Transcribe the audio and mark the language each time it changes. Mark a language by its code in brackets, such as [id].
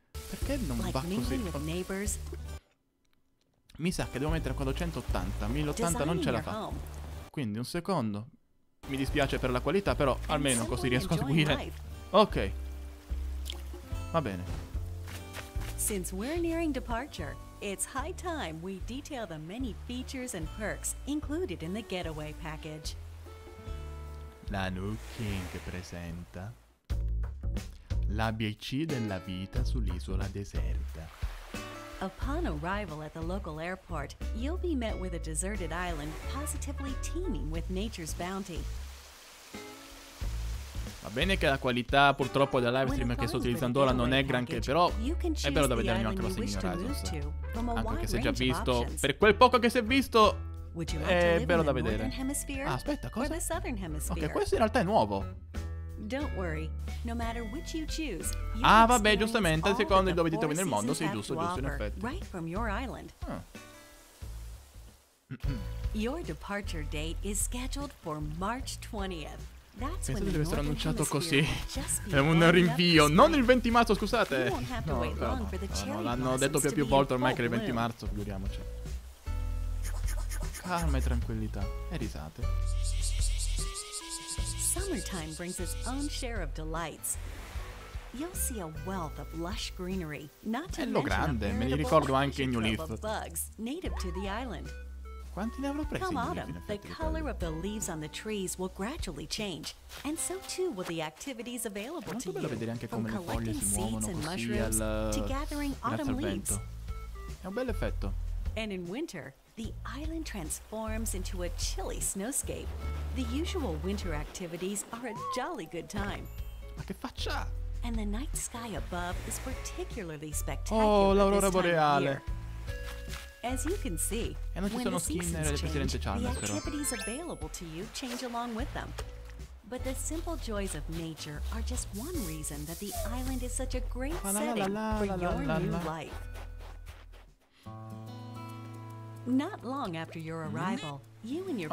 [it] Perché non va così? Mi sa che devo mettere a 480. 1080 non ce la fa. Quindi un secondo. Mi dispiace per la qualità, però almeno così riesco a seguire. Ok. Va bene. [en] Since we're nearing departure, it's high time we detail the many features and perks included in the getaway package. [it] La New King presenta l'ABC della vita sull'isola deserta. [en] Upon arrival at the local airport, you'll be met with a deserted island positively teeming with nature's bounty. [it] Va bene che la qualità purtroppo del live stream che sto utilizzando ora non è granché, però è bello da vedermi anche la signora. Anche che si è già visto, per quel poco che si è visto, è bello da vedere. Ah, aspetta, cosa? Ok, questo in realtà è nuovo. [en] Don't worry. No matter which you choose, you [it] ah, vabbè, giustamente, secondo dove ti trovi nel mondo, sei giusto, giusto, in effetti. [en] Right from your island. Your departure date is scheduled for March 20th. [it] That's pensate deve essere annunciato così. È un rinvio. Non il 20 marzo, scusate. No, l'hanno detto più volte ormai che è il 20 marzo, figuriamoci. Calma e tranquillità. E risate. [en] Summertime brings its own share of delights. You'll see a wealth of lush greenery, not to [it] bello grande, me li ricordo anche in New Leaf. [en] Bugs, native to the island. [it] Quanti ne avrò presi? [en] Come autumn, the color of the leaves on the trees will gradually change, and so too will the activities available to you. [it] Vedere anche come le foglie si muovono così al vento. È un bel effetto. [en] And in winter, the island transforms into a chilly snowscape. The usual winter activities are a jolly good time. [it] Ma che faccia! [en] And the night sky above is particularly spettacolare. [it] Oh, l'aurora boreale! [en] As you can see, [it] e non ci sono Skinner e il presidente Chalmers, però. [en] The activities available to you change along with them. But the simple joys of nature are just one reason that the island is such a great setting for your new life. Not long after your arrival, you and your